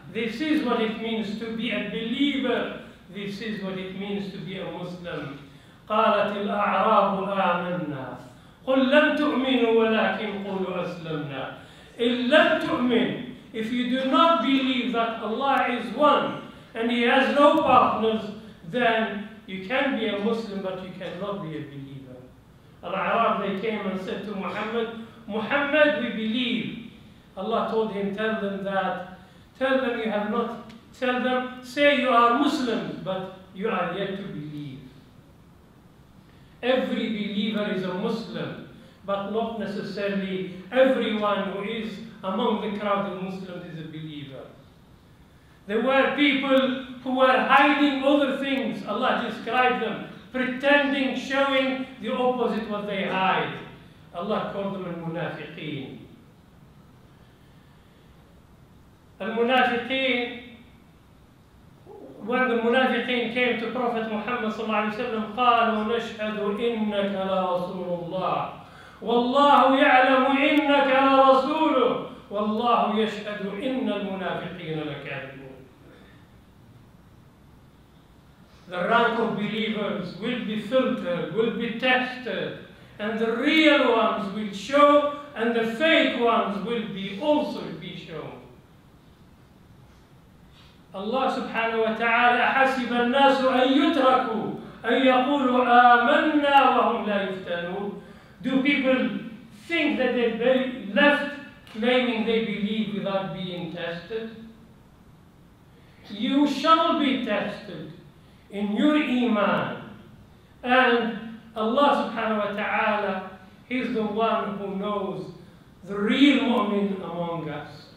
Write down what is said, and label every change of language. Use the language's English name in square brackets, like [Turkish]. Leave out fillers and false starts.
[English] This is what it means to be a believer. This is what it means to be a Muslim. [Arabic] قالت الأعراب آمنا. قل لم تؤمنوا ولكن قولوا أسلمنا. إن لم تؤمن. [English] If you do not believe that Allah is one and He has no partners, then you can be a Muslim, but you cannot be a believer. Al-A'rab, they came and said to Muhammad, Muhammad, we believe. Allah told him, tell them that. Tell them you have not. Tell them, say you are Muslim, but you are yet to believe. Every believer is a Muslim, but not necessarily everyone who is among the crowd of Muslims is a believer. There were people who were hiding other things. Allah described them, pretending, showing the opposite what they hide. Allah called them al-munafiqeen. Al-munafiqeen, when the munafiqeen came to Prophet Muhammad sallallahu alayhi wa sallam, [Arabic] قالوا نشهدوا إنك لرسول الله. والله يعلم إنك لرسوله. والله يشهد إن المنافقين لكاذبون. [English] The rank of believers will be filtered, will be tested, and the real ones will show, and the fake ones will be also be shown. [Arabic] Allah subhanahu wa ta'ala حسب الناس أن يتركوا أن يقولوا آمنا وهم لا يفتنون. [English] Do people think that they've left claiming they believe without being tested? You shall be tested in your iman. And Allah subhanahu wa ta'ala, He's the one who knows the real mu'min among us.